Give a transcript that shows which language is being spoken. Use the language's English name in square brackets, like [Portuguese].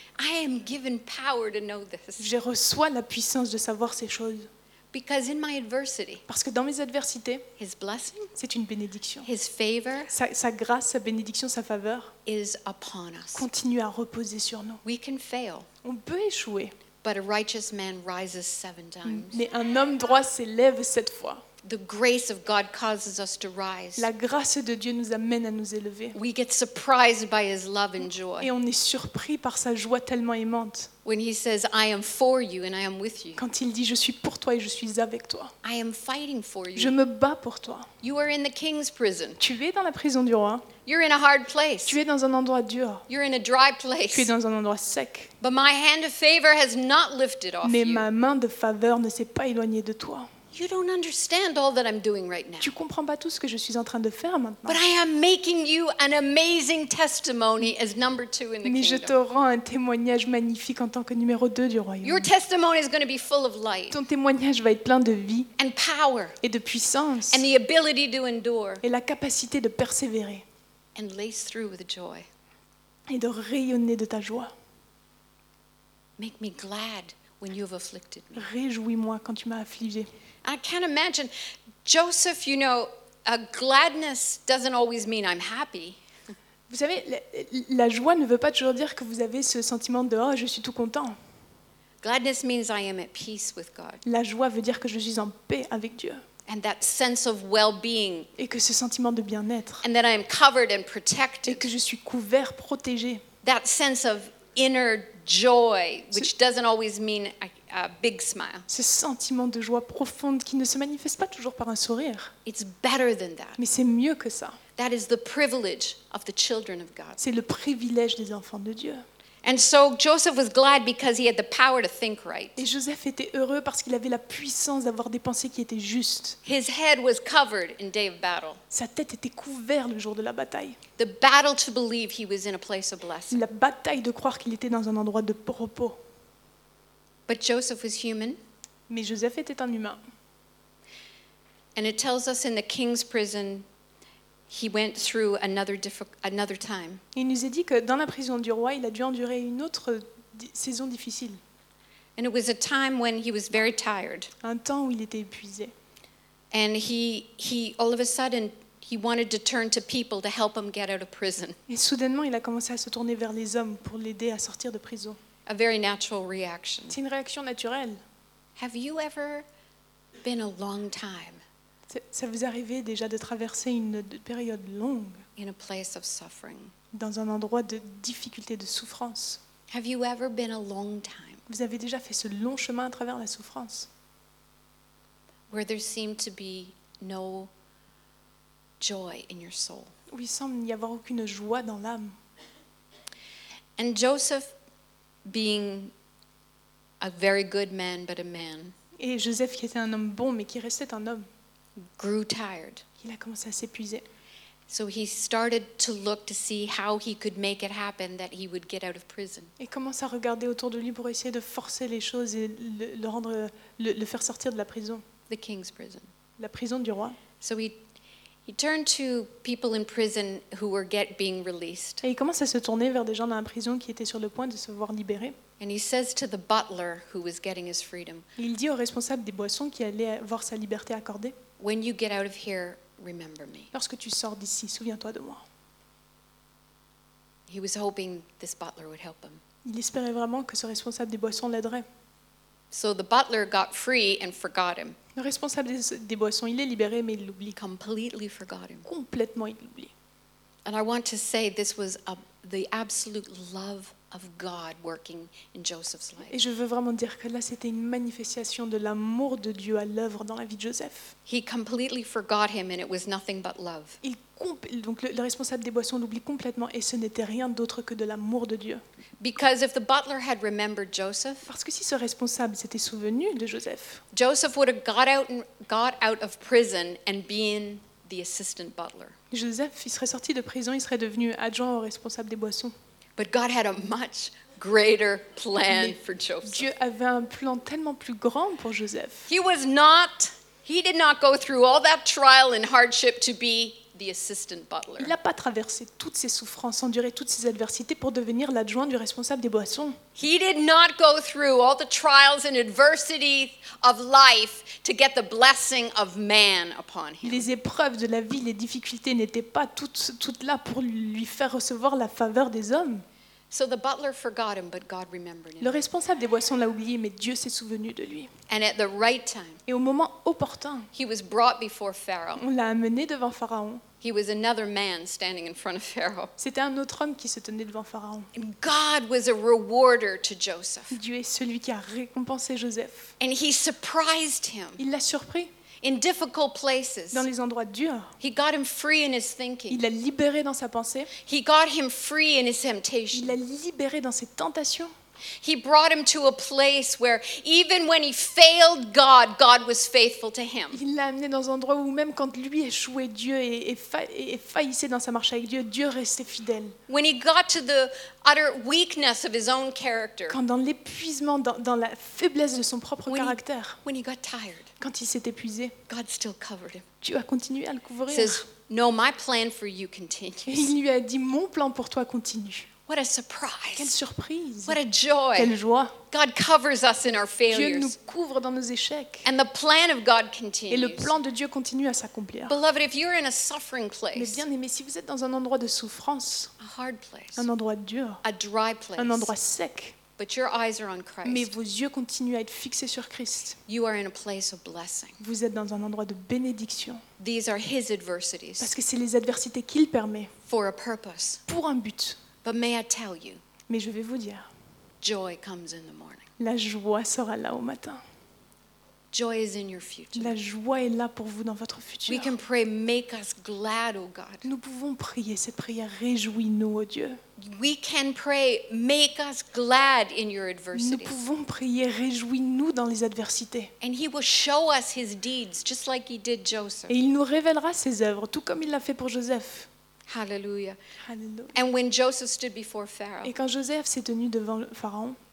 [English] I am given power to know this. [French] Je reçois la puissance de savoir ces choses. [English] Because in my adversity. [French] Parce que dans mes adversités. [English] His blessing. [French] C'est une bénédiction. [English] His favor. [French] Sa grâce, sa bénédiction, sa faveur. [English] Is upon us. [French] Continue à reposer sur nous. [English] We can fail. [French] On peut échouer. [English] But a righteous man rises 7 times. [French] Mais un homme droit s'élève 7 fois. [English] The grace of God causes us to rise. [French] La grâce de Dieu nous amène à nous élever. [English] We get surprised by his love and joy. [French] Et on est surpris par sa joie tellement aimante. [English] When he says, "I am for you and I am with you." [French] Quand il dit, je suis pour toi et je suis avec toi. [English] I am fighting for you. [French] Je me bats pour toi. [English] You are in the king's prison. [French] Tu es dans la prison du roi. [English] You're in a hard place. [French] Tu es dans un endroit dur. [English] You're in a dry place. [French] Tu es dans un endroit sec. [English] But my hand of favor has not lifted off you. [French] Mais ma main de faveur ne s'est pas éloignée de toi. [English] You don't understand all that I'm doing right now. [French] Tu comprends pas tout ce que je suis en train de faire maintenant. [English] But I am making you an amazing testimony as number two in the kingdom. [French] Mais je te rends un témoignage magnifique en tant que numéro 2 du royaume. [English] Your testimony is going to be full of light. [French] Ton témoignage va être plein de vie. [English] And power. [French] Et de puissance. [English] And the ability to endure. [French] Et la capacité de persévérer. [English] And lace through with joy. [French] Et de rayonner de ta joie. [English] Make me glad when you have afflicted me. [French] Réjouis-moi quand tu m'as affligé. [English] I can't imagine Joseph, you know, a gladness doesn't always mean I'm happy. [French] Vous savez, la joie ne veut pas toujours dire que vous avez ce sentiment de « Oh, je suis tout content ». [English] Gladness means I am at peace with God. [French] La joie veut dire que je suis en paix avec Dieu. [English] And that sense of well-being. [French] Et que ce sentiment de bien-être. [English] And that I am covered and protected. [French] Et que je suis couvert, protégé. [English] That sense of inner joy, which doesn't always mean a big smile. [French] Ce sentiment de joie profonde qui ne se manifeste pas toujours par un sourire. [English] It's better than that. [French] Mais c'est mieux que ça. [English] That is the privilege of the children of God. [French] C'est le privilège des enfants de Dieu. [English] And so Joseph was glad because he had the power to think right. [French] Et Joseph était heureux parce qu'il avait la puissance d'avoir des pensées qui étaient justes. [English] His head was covered in day of battle. [French] Sa tête était couverte le jour de la bataille. [English] The battle to believe he was in a place of blessing. [French] La bataille de croire qu'il était dans un endroit de repos. [English] But Joseph was human. [French] Mais Joseph était un humain. [English] And it tells us in the king's prison he went through another time. [French] Il nous est dit que dans la prison du roi, il a dû endurer une autre saison difficile. [English] And it was a time when he was very tired. [French] Un temps où il était épuisé. [English] And he all of a sudden he wanted to turn to people to help him get out of prison. [French] Et soudainement, il a commencé à se tourner vers les hommes pour l'aider à sortir de prison. [English] A very natural reaction. [French] C'est une réaction naturelle. [English] Have you ever been a long time? [French] Ça vous arrivait déjà de traverser une période longue [English] in a place of suffering. [French] Dans un endroit de difficulté, de souffrance. [English] Have you ever been a long time? [French] Vous avez déjà fait ce long chemin à travers la souffrance. [English] Where there seemed to be no joy in your soul. [French] Où il semble n'y avoir aucune joie dans l'âme. [English] And Joseph being a very good man, but a man. [French] Et Joseph qui était un homme bon, mais qui restait un homme. [English] Grew tired. [French] Il a commencé à s'épuiser. [English] So he started to look to see how he could make it happen that he would get out of prison. [French] Et commence à regarder autour de lui pour essayer de forcer les choses et le faire sortir de la prison. [English] The king's prison. [French] La prison du roi. [English] So he turned to people in prison who were being released. [French] Et il commence à se tourner vers des gens dans la prison qui étaient sur le point de se voir libérés. [English] And he says to the butler who was getting his freedom. [French] Il dit au responsable des boissons qui allait voir sa liberté accordée. [English] When you get out of here, remember me. [French] Lorsque tu sors d'ici, souviens-toi de moi. [English] He was hoping this butler would help him. [French] Il espérait vraiment que ce responsable des boissons l'aiderait. [English] So the butler got free and forgot him. [French] Le responsable des boissons, il est libéré, mais il l'oublie. [English] Completely forgot him. [French] Complètement, il l'oublie. [English] And I want to say this was the absolute love of God working in Joseph's life. [French] Et je veux vraiment dire que là c'était une manifestation de l'amour de Dieu à l'œuvre dans la vie de Joseph. [English] He completely forgot him and it was nothing but love. [French] Donc le responsable des boissons l'oublie complètement et ce n'était rien d'autre que de l'amour de Dieu. [English] Because if the butler had remembered Joseph, [French] parce que si ce responsable s'était souvenu de Joseph, [English] Joseph would have got out of prison and been the assistant butler. [French] Joseph, il serait sorti de prison, il serait devenu adjoint au responsable des boissons. [English] But God had a much greater plan for Joseph. [French] Dieu avait un plan tellement plus grand pour Joseph. [English] He did not go through all that trial and hardship to be the assistant butler. [French] Il n'a pas traversé toutes ces souffrances, enduré toutes ces adversités pour devenir l'adjoint du responsable des boissons. [English] He did not go through all the trials and adversity of life to get the blessing of man upon him. [French] Les épreuves de la vie, les difficultés n'étaient pas toutes là pour lui faire recevoir la faveur des hommes. [English] So the butler forgot him, but God remembered him. [French] Le responsable des boissons l'a oublié, mais Dieu s'est souvenu de lui. [English] And at the right time, [French] et au moment opportun, [English] he was brought before Pharaoh. [French] On l'a amené devant Pharaon. [English] He was another man standing in front of Pharaoh. [French] C'était un autre homme qui se tenait devant Pharaon. [English] And God was a rewarder to Joseph. [French] Dieu est celui qui a récompensé Joseph. [English] And he surprised him. [French] Il l'a surpris. [English] In difficult places. [French] Dans les endroits durs. [English] He got him free in his thinking. [French] Il l'a libéré dans sa pensée. [English] He got him free in his temptation. [French] Il l'a libéré dans ses tentations. [English] He brought him to a place where even when he failed God, God was faithful to him. [French] Il l'a amené dans un endroit où même quand lui échouait, Dieu et faillissait dans sa marche avec Dieu, Dieu restait fidèle. [English] When he got to the utter weakness of his own character. [French] Quand dans l'épuisement, dans la faiblesse de son propre caractère. [English] When he got tired. [French] Quand il s'est épuisé. [English] God still covered him. [French] Dieu a continué à le couvrir. [English] Says, no, my plan for you continues. [French] Il lui a dit, mon plan pour toi continue. [English] What a surprise. [French] Quelle surprise. [English] What a joy. [French] Quelle joie. [English] God covers us in our failures. [French] Dieu nous couvre dans nos échecs. [English] And the plan of God continues. [French] Et le plan de Dieu continue à s'accomplir. [English] Beloved, if you're in a suffering place, [French] mais bien aimé, si vous êtes dans un endroit de souffrance, [English] a hard place, [French] un endroit dur, [English] a dry place, [French] un endroit sec, [English] but your eyes are on Christ, [French] mais vos yeux continuent à être fixés sur Christ, [English] you are in a place of blessing. [French] Vous êtes dans un endroit de bénédiction. [English] These are his adversities. [French] Parce que c'est les adversités qu'il permet [English] for a purpose. [French] Pour un but. [English] But may I tell you, [French] mais je vais vous dire, [English] joy comes in the morning. [French] La joie sera là au matin. [English] Joy is in your future. [French] La joie est là pour vous dans votre futur. [English] We can pray, make us glad, oh God. [French] Nous pouvons prier cette prière, réjouis-nous, oh Dieu. [English] We can pray, make us glad in your adversity. [French] Nous pouvons prier, réjouis-nous dans les adversités. [English] And he will show us his deeds, just like he did Joseph. [French] Et il nous révélera ses œuvres, tout comme il l'a fait pour Joseph. [English] Hallelujah. [French] Hallelujah. [English] And when Joseph stood before Pharaoh, [French] et quand Joseph s'est tenu devant le Pharaon,